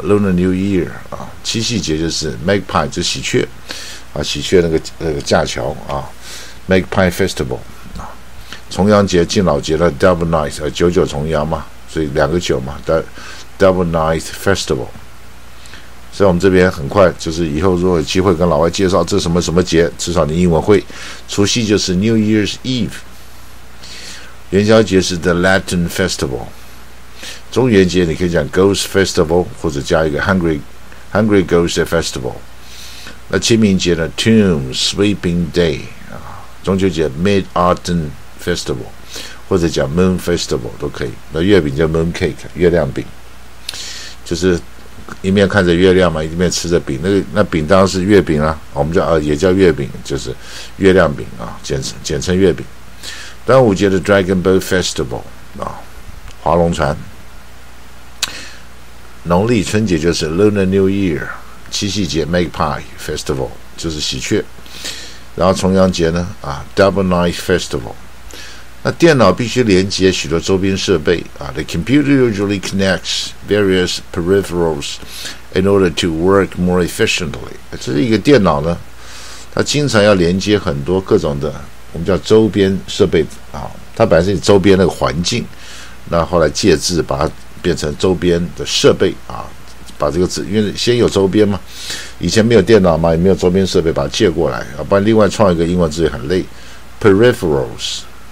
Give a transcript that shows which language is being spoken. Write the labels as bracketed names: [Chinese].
[Chinese] Lunar New Year 啊，七夕节就是 Magpie 就是喜鹊啊，喜鹊那个架桥啊 ，Magpie Festival 啊，重阳节、敬老节的 Double Night 啊，九九重阳嘛，所以两个九嘛 ，Double Night Festival。在我们这边很快，就是以后如果有机会跟老外介绍这什么什么节，至少你英文会。除夕就是 New Year's Eve， 元宵节是 The Lantern Festival， 中元节你可以讲 Ghost Festival 或者加一个 Hungry Ghost Festival。那清明节呢 ，Tomb Sweeping Day 啊，中秋节 Mid Autumn Festival 或者讲 Moon Festival 都可以。那月饼叫 Moon Cake， 月亮饼，就是。一面看着月亮嘛，一面吃着饼，那饼当然是月饼啊，我们叫也叫月饼，就是月亮饼啊，简称月饼。端午节的 Dragon Boat Festival 啊，划龙船。农历春节就是 Lunar New Year， 七夕节 Magpie Festival 就是喜鹊，然后重阳节呢啊 Double Night Festival。那电脑必须连接许多周边设备啊。 [English] The computer usually connects various peripherals in order to work more efficiently。 [Chinese] 这是一个电脑呢，它经常要连接很多各种的，我们叫周边设备啊。它本身是周边那个环境，那后来借字把它变成周边的设备啊，把这个字，因为先有周边嘛，以前没有电脑嘛，也没有周边设备，把它借过来啊，不然另外创一个英文字也很累 ，peripherals。